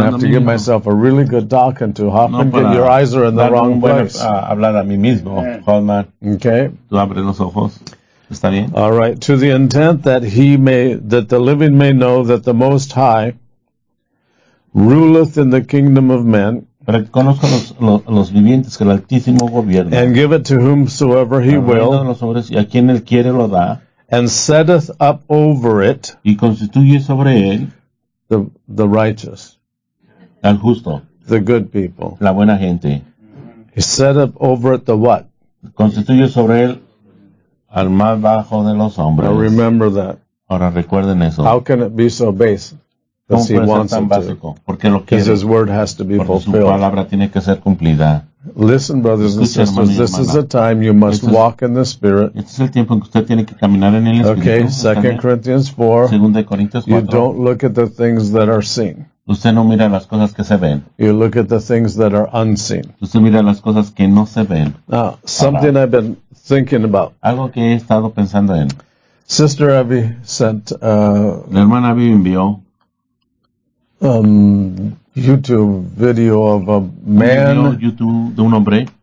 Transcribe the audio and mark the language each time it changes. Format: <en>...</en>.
<en>I have to give myself a really good talking to.</en> <es>Hoffman, no,</es> <en>get your eyes are in the wrong</en> <es>buen,</es> <en>place.</en> <es>Hablar a mí mismo, Hoffman.</es> <en>Okay.</en> <es>Tú abres los ojos. ¿Está bien?</es> <en>All right. To the intent that the living may know that the Most High ruleth in the kingdom of men.</en> <es>Para que conozca los vivientes que el Altísimo gobierna.</es> <en>And give it to whomsoever he will.</en> <es>Hombres, y a quien él quiere lo da.</es> <en>And setteth up over it.</en> <es>Y constituye sobre él.</es> <en>The righteous.</en> <es>El justo.</es> <en>The good people.</en> <es>La buena gente.</es> <en>He set up over it the what?</en> <es>Constituye sobre él. Al más bajo de los hombres.</es> <en>Now remember that.</en> <es>Ahora recuerden eso.</es> <en>How can it be so base?</en> <es>¿Cómo puede ser tan básico? Porque lo quiere.</es> <en>His word has to be</en> <es>Porque</es> <en>fulfilled.</en> <es>Su palabra tiene que ser cumplida.</es> <en>Listen, brothers and sisters,</en> <es>hermana,</es> <en>this is the time you must walk in the Spirit.</en> <es>Este es el tiempo en que usted tiene que caminar en el Espíritu.</es> <en>Okay, 2 Corinthians 4.</en> <es>2 Corintios 4.</es> <en>You don't look at the things that are seen.</en> <es>Usted no mira las cosas que se ven.</es> <en>You look at the things that are unseen.</en> <es>Usted mira las cosas que no se ven.</es> <en>Now, something I've been thinking about.</en> <es>Algo que he estado pensando en.</es> <en>Sister Abby sent.</en> <es>La hermana Abby envió.</es> <en>YouTube video of a man.</en> <es>YouTube de un hombre.</es>